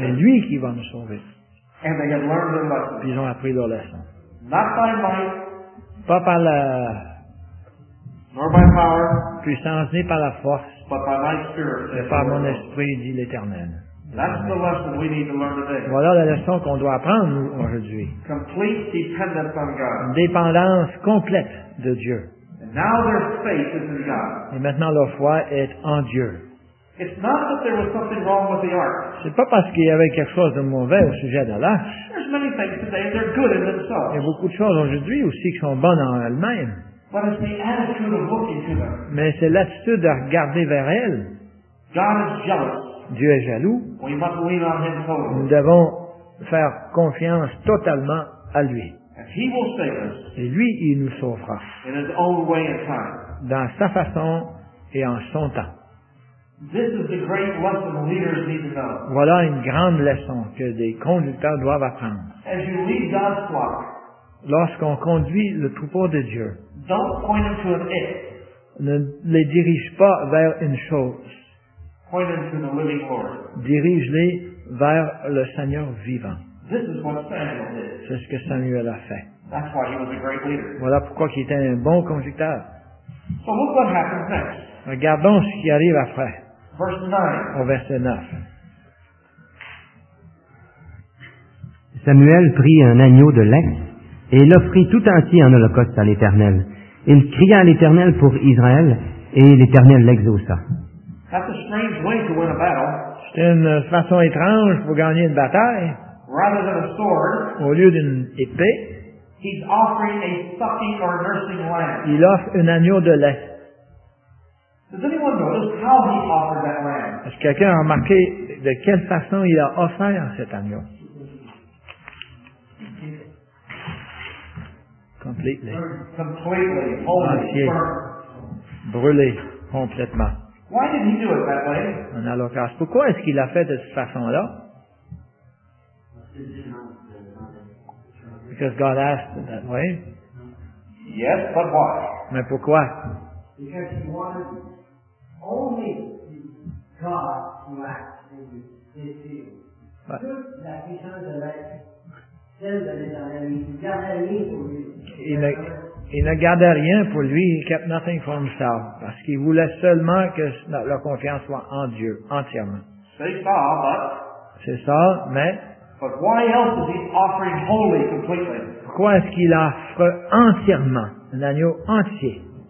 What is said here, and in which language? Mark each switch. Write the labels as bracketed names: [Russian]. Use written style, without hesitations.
[French] Mais lui qui va nous sauver. [English] And they have learned their lesson. [French] Ils ont appris leur leçon. [English] Not by might. [French] Pas par la. [English] Nor by power. [French] Puissance ni par la force. [English] But by my spirit. [French] Mais par mon esprit, dit l'Éternel. [English] That's the lesson we need to learn today. [French] Voilà la leçon qu'on doit apprendre nous aujourd'hui. [English] Complete dependence on God. [French] Une dépendance complète de Dieu. [English] And now their faith is in God. [French] Et maintenant leur foi est en Dieu. [English] It's not that there was something wrong with the ark. [French] C'est pas parce qu'il y avait quelque chose de mauvais au sujet de l'arche. [English] There's many things today that are good in themselves. [French] Il y a beaucoup de choses aujourd'hui aussi qui sont bonnes en elles-mêmes. [English] But it's the attitude of looking to them. [French] Mais c'est l'attitude de regarder vers elles. [English] God is jealous. [French] Dieu est jaloux. [English] We must lean on him totally. [French] Nous devons faire confiance totalement à lui. [English] He will save us. [French] Et lui, il nous sauvera. [English] In his own way and time. [French] Dans sa façon et en son temps. [English] This is the great lesson leaders need to know. [French] Voilà une grande leçon que des conducteurs doivent apprendre. [English] As you lead God's flock, [French] lorsqu'on conduit le troupeau de Dieu, [English] don't point them to an it. [French] Ne les dirige pas vers une chose. [English] Point them to the living Lord. [French] Dirige-les vers le Seigneur vivant. [English] This is what Samuel did. [French] C'est ce que Samuel a fait. [English] That's why he was a great leader. [French] Voilà pourquoi il était un bon conducteur. [English] So look what happens next. [French] Regardons ce qui arrive après. [English] Verse 9. [French] Au verset 9. Samuel prit un agneau de lait et l'offrit tout entier en holocauste à l'Éternel. Il cria à l'Éternel pour Israël et l'Éternel l'exauça. [English] That's a strange way to win a battle. [French] C'est une façon étrange pour gagner une bataille. [English] Rather than a sword, [French] au lieu d'une épée, [English] he's offering a sucking or nursing lamb. [French] Il offre un agneau de lait. [English] Does anyone notice how he offered that lamb? [French] Est-ce que quelqu'un a remarqué de quelle façon il a offert cet agneau? [English] Completely. Completely. Holy. [French] Entier. Brûlé. Complètement. [English] Why did he do it that way? [French] En holocauste. Pourquoi est-ce qu'il l'a fait de cette façon-là? [English] Because God asked it that way. Yes, but why? [French] Mais pourquoi? [English] Because he wanted only God to act in his field. That he turned the light. [French] Il ne gardait rien pour lui, [English] he kept nothing for himself, [French] parce qu'il voulait seulement que leur confiance soit en Dieu, entièrement. C'est ça, mais [English] but why else is he offering wholly, completely? [French] Pourquoi est-ce qu'il offre entièrement, un agneau entier?